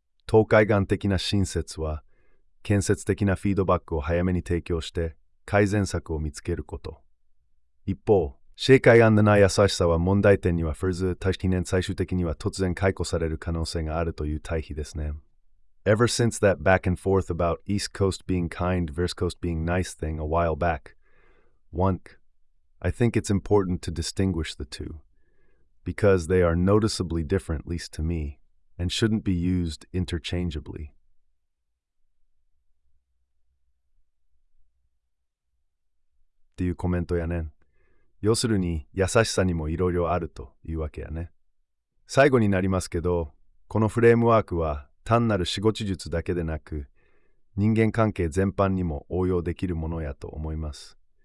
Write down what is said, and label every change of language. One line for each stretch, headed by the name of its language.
Japanese: 東海岸的な親切は、建設的なフィードバックを早めに提供して、改善策を見つけること。一方、西海岸でない優しさは問題点には触れず、多少最終的には突然解雇される可能性があるという対比ですね。
English: Ever since that back and forth about East Coast being kind versus Coast being nice thing a while back, Wunk, I think it's important to distinguish the two, because they are noticeably different, at least to me, and shouldn't be used interchangeably.
Japanese: っていうコメントやね。要するに、優しさにもいろいろあるというわけやね。最後になりますけど、このフレームワークは単なる仕事術だけでなく、人間関係全般にも応用できるものやと思います。